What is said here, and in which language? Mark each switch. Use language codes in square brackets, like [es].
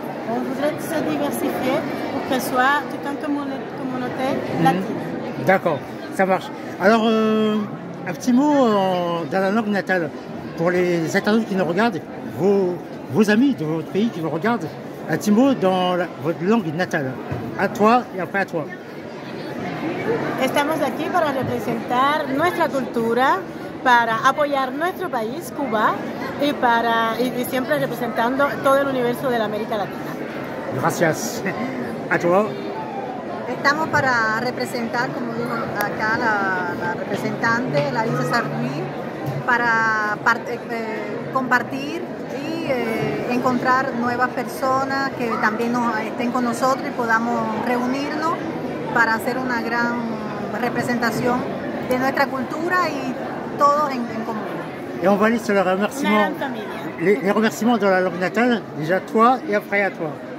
[fr] On voudrait se diversifier pour que ce soit tout un communauté latine. Mmh. D'accord, ça marche. Alors, un petit mot dans la langue natale pour les internautes qui nous regardent, vos amis de votre pays qui vous regardent, un petit mot dans votre langue natale. À toi et après à toi. [es] Estamos aquí para representar nuestra cultura, para apoyar nuestro país, Cuba, y siempre representando todo el universo de la América Latina. Gracias. [fr] A toi. [es] Estamos para representar, como dijo acá la representante, la Lisa Sarduy, para compartir y encontrar nuevas personas que también estén con nosotros y podamos reunirnos para hacer una gran representación de nuestra cultura y todos en común. [fr] Et on valide le remerciement. Les remerciements de la langue natale, déjà à toi et après à toi.